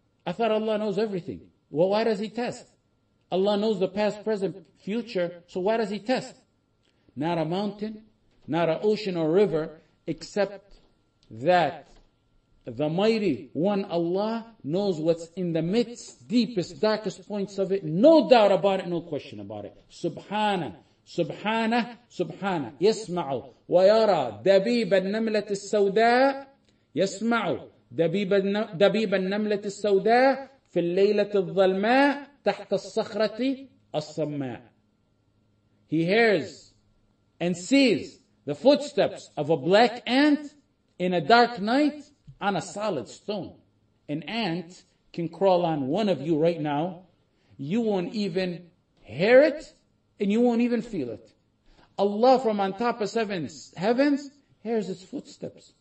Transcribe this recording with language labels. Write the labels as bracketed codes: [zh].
[en] I thought Allah knows everything. Well, why does He test? Allah knows the past, present, future. So why does He test? Not a mountain, not an ocean or river, except that the mighty one Allah knows what's in the midst, deepest, darkest points of it. No doubt about it, no question about it. [ar] Subhana. سبحانه سبحانه يسمع ويرى دبيب النملة السوداء يسمع دبيب النملة السوداء في الليلة الظلماء تحت الصخرة الصماء. [en] He hears and sees the footsteps of a black ant in a dark night on a solid stone. An ant can crawl on one of you right now. You won't even hear it. And you won't even feel it. Allah from on top of seven heavens hears His footsteps.